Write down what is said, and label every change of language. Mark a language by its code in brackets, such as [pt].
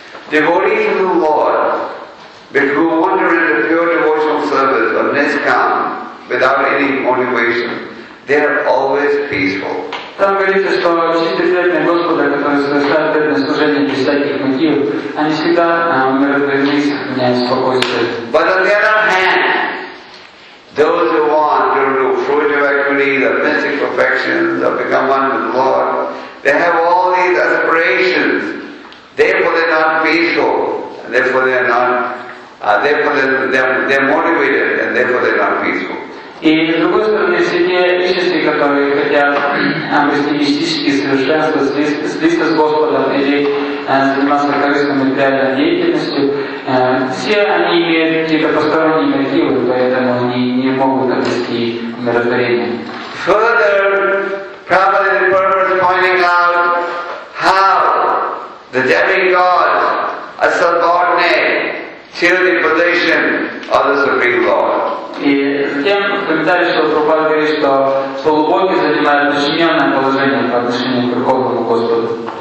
[en] Devotees of the Lord, but who want to render pure devotional service of Niskam without any motivation, they are always peaceful. [ru] Там говорится, что чистые преданные Господа, которые совершают преданное служение без всяких мотивов, они всегда умиротворены и сохраняют спокойствие. [en] But on the other hand, those who want to do fruitive activities, the mystic perfections, or become one with the Lord, they have all these aspirations. Therefore, they are not peaceful. And therefore, they are not. They are motivated, and therefore, they are not peaceful. [ru] И с другой стороны, все те личности, которые хотят обрести мистические совершенства, слиться с Господом или заниматься корыстной материальной деятельностью, все они имеют какие-то посторонние мотивы, поэтому они не могут обрести умиротворение. [en] Further, probably the purpose pointing out how the demigods are subordinate to the position of the Supreme Lord. [ru] И затем в комментарии Шрила Прабхупада говорит, что полубоги занимают подчиненное положение по отношению к Верховному Господу.